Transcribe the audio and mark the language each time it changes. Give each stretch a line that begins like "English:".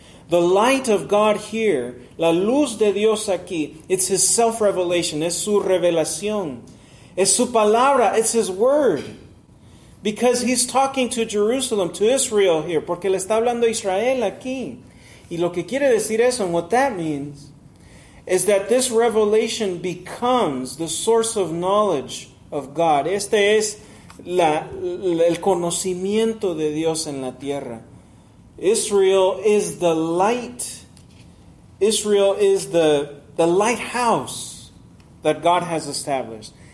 English: The light of God here,
Spanish: la luz de Dios aquí,
English: it's his self-revelation,
Spanish: es su revelación, es su palabra,
English: it's his word. Because he's talking to Jerusalem, to Israel here,
Spanish: porque le está hablando a Israel aquí. Y lo que quiere decir eso,
English: and what that means, is that this revelation becomes the source of knowledge of God.
Spanish: Este es el conocimiento de Dios en la tierra.
English: Israel is the light. Israel is the lighthouse that God has established.